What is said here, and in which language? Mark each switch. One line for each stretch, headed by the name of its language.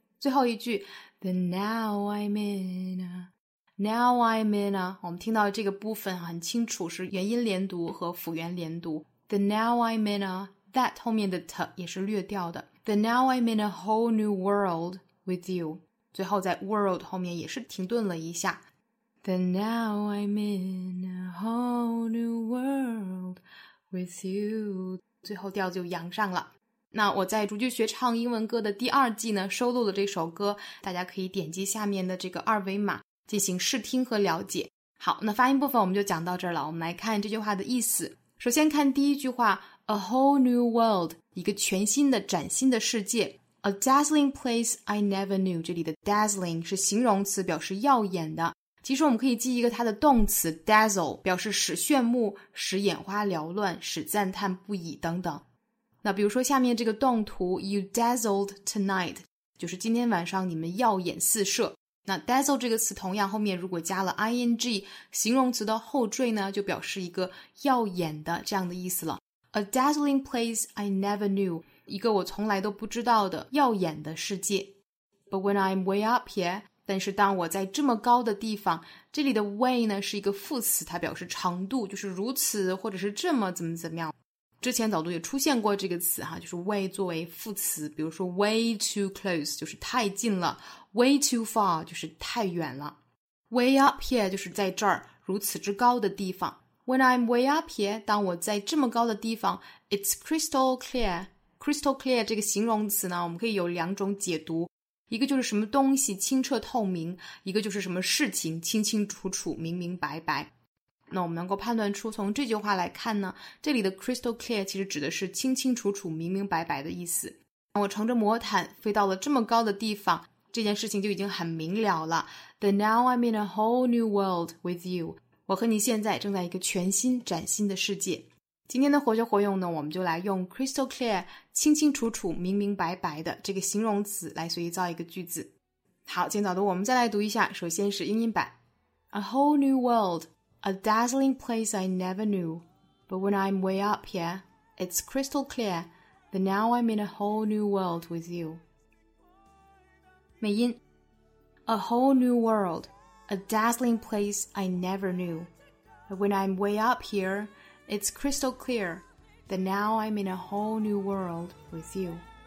English: 最后一句 Then now I'm in a. Now I'm in a.
Chinese: 我们听到这个部分很清楚是元音连读和辅元连读。
English: Then now I'm in a.
Chinese: That 后面的 t 也是略掉的。
English: Then now I'm in a whole new world with you.
Chinese: 最后在 world 后面也是停顿了一下。
English: Then now I'm in a whole new world with you.
Chinese: 最后调就扬上了。那我在逐句学唱英文歌的第二季呢收录了这首歌，大家可以点击下面的这个二维码进行试听和了解。好，那发音部分我们就讲到这儿了，我们来看这句话的意思。首先看第一句话，
English: A whole new world，
Chinese: 一个全新的崭新的世界。
English: A dazzling place I never knew，
Chinese: 这里的 dazzling 是形容词，表示耀眼的。其实我们可以记一个它的动词 dazzle， 表示使炫目，使眼花缭乱，使赞叹不已等等。那比如说下面这个动图
English: You dazzled tonight，
Chinese: 就是今天晚上你们耀眼四射。那 dazzle 这个词同样后面如果加了 ing， 形容词的后缀呢，就表示一个耀眼的这样的意思了。
English: A dazzling place I never knew，
Chinese: 一个我从来都不知道的耀眼的世界。
English: But when I'm way up here，
Chinese: 但是当我在这么高的地方，这里的 way 呢是一个副词，它表示长度，就是如此或者是这么怎么怎么样。之前早读也出现过这个词哈，就是 way 作为副词，比如说
English: way too close
Chinese: 就是太近了，
English: way too far
Chinese: 就是太远了。
English: way up here
Chinese: 就是在这儿，如此之高的地方。
English: When I'm way up here，
Chinese: 当我在这么高的地方，
English: It's crystal clear。
Chinese: crystal clear 这个形容词呢，我们可以有两种解读，一个就是什么东西清澈透明，一个就是什么事情清清楚楚明明白白。那我们能够判断出从这句话来看呢，这里的 crystal clear 其实指的是清清楚楚明明白白的意思。我乘着魔毯飞到了这么高的地方，这件事情就已经很明了了。
English: Then now I'm in a whole new world with you，
Chinese: 我和你现在正在一个全新崭新的世界。今天的活学活用呢，我们就来用 crystal clear 清清楚楚明明白白的这个形容词来随意造一个句子。好，今天早读我们再来读一下，首先是英音版。
English: A whole new world, a dazzling place I never knew, but when I'm way up here, it's crystal clear that now I'm in a whole new world with you. 美音。 A whole new world, a dazzling place I never knew, but when I'm way up hereIt's crystal clear that now I'm in a whole new world with you.